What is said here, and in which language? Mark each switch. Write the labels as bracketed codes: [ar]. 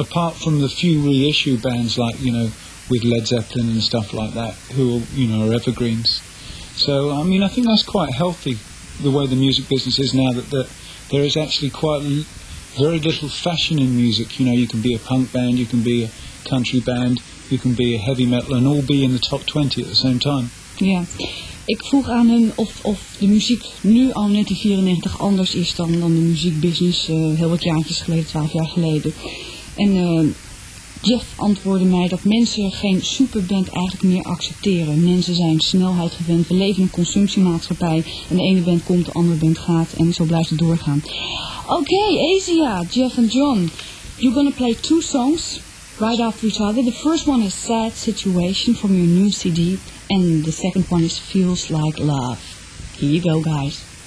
[en] Apart from the few reissue bands like, you know, with Led Zeppelin and stuff like that, who, are evergreens. So, I mean, I think that's quite healthy, the way the music business is now, that there is actually quite very little fashion in music. You know, you can be a punk band, you can be a country band, you can be a heavy metal and all be in the top 20 at the same time. [nl] Ja, ik vroeg aan hen of de muziek nu al 1994 anders is dan de muziekbusiness heel wat jaartjes geleden, 12 jaar geleden. En Jeff antwoordde mij dat mensen geen superband eigenlijk meer accepteren. Mensen zijn snelheid gewend, we leven in een consumptiemaatschappij en de ene band komt, de andere band gaat en zo blijft het doorgaan. [en] Okay, Asia, Jeff and John, you're gonna play two songs. right after each other. The first one is Sad Situation from your new CD, and the second one is Feels Like Love. Here you go, guys.